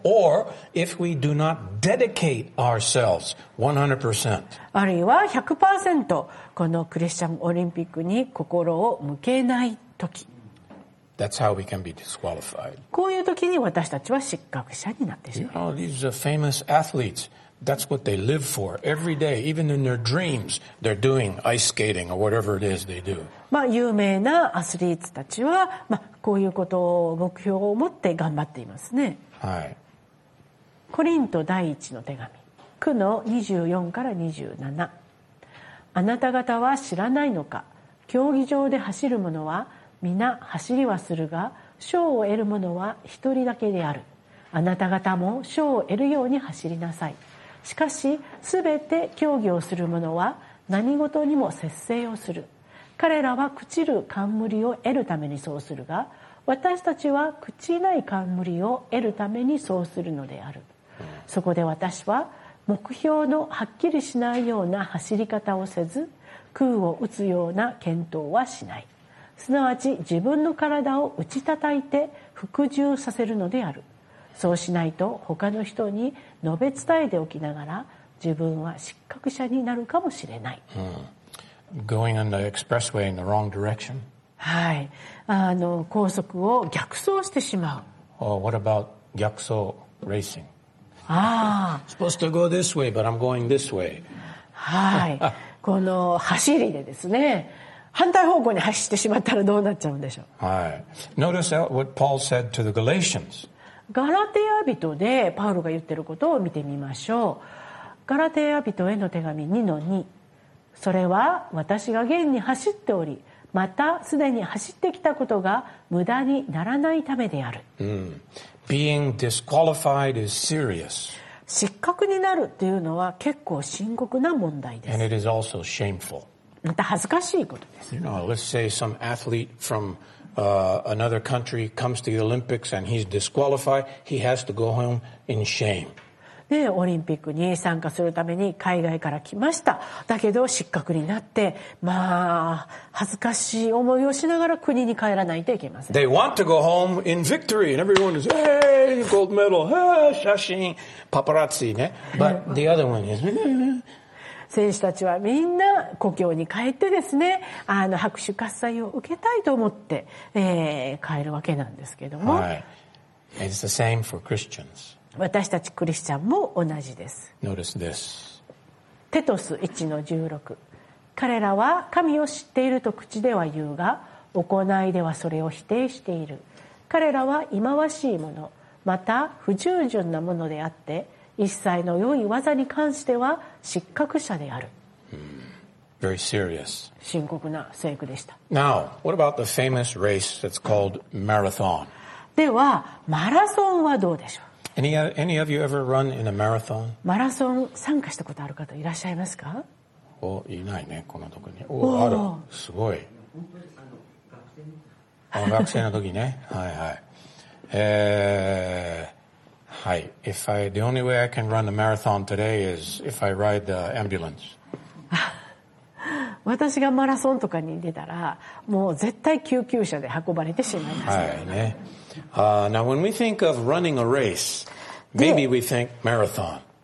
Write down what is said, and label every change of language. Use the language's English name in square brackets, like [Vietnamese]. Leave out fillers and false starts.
[English] Or if we do not dedicate ourselves 100%。 [Japanese] あるいは 100% このクリスチャンオリンピックに心を向けないとき。 [English] That's how we can be disqualified. [Japanese] こういう時に私たちは失格者になってしまう。 [English] You know, these are famous athletes. That's what they live for every day. Even in their dreams, they're doing ice skating or whatever it is they do. [Japanese] まあ有名なアスリートたちは、まあこういうことを目標を持って頑張っていますね。はい。コリント第一の手紙、9の24から27。あなた方は知らないのか。競技場で走る者は皆走りはするが、賞を得る者は一人だけである。あなた方も賞を得るように走りなさい。しかし全て競技をする者は何事にも節制をする。彼らは朽ちる冠を得るためにそうするが、私たちは朽ちない冠を得るためにそうするのである。そこで私は目標のはっきりしないような走り方をせず、空を打つような検討はしない。すなわち自分の体を打ち叩いて服従させるのである。そうしないと他の人に述べ伝えておきながら自分は失格者になるかもしれない。 [English] Going on the expressway in the wrong direction. [Japanese] はい、高速を逆走してしまう。 [English] What about 逆走 racing? ああ。 Supposed to go this way, but I'm going this way. [Japanese] はい。この走りでですね。反対方向に走ってしまったらどうなっちゃうんでしょう。 [English] はい。Notice what Paul said to the Galatians. [Japanese] ガラテヤ人でパウロが言ってることを見てみましょう。ガラテヤ人への手紙2の2。それは私が現に走っており、またすでに走ってきたことが無駄にならないためである。 [English] Being disqualified is serious. [Japanese] 失格になるっていうのは結構深刻な問題です。 [English] And it is also shameful. [Japanese] また恥ずかしいことです。 [English] You know, let's say some athlete from another country comes to the Olympics and he's disqualified. He has to go home in shame. [Japanese] ね、オリンピックに参加するために海外から来ました。だけど失格になって、まあ恥ずかしい思いをしながら国に帰らないといけません。 [English] They want to go home in victory and everyone is, hey, gold medal, hey, [Japanese] 写真、パパラッツィね。 [English] But the other one is, [Japanese] 選手たちはみんな故郷に帰ってですね、拍手喝采を受けたいと思って、帰るわけなんですけども、 [English] はい、It's the same for Christians. [Japanese] 私たちクリスチャンも同じです。 [English] Notice this. [Japanese] テトス 1-16。彼らは神を知っていると口では言うが、行いではそれを否定している。彼らは忌まわしいもの、また不従順なものであって、一切の良い技に関しては失格者である。 [English] Very serious. [Japanese] 深刻な聖句でした。 [English] Now, what about the famous race that's called marathon? [Japanese] では、マラソンはどうでしょう? [English] Any of you ever run in a marathon? [Japanese] マラソン参加したことある方いらっしゃいますか? Oh, いないね、このとこに。おー、ある。すごい。学生の時ね。はいはい。Hi. [English] If I, the only way I can run a marathon today is if I ride the ambulance. [Japanese] 私がマラソンとかに出たら、もう絶対救急車で運ばれてしまいます。はいね。 [English] Now when we think of running a race, maybe we think marathon.